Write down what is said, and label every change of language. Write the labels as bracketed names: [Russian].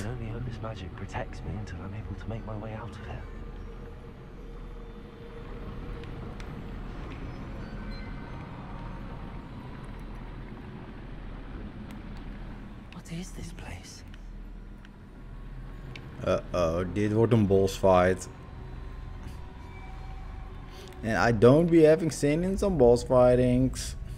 [English] I can only hope this magic protects me until I'm able to make my way out of here. What is this place? [Dutch] Uh-oh, dit wordt een boss fight. [English] And I don't be having seen in some boss fightings.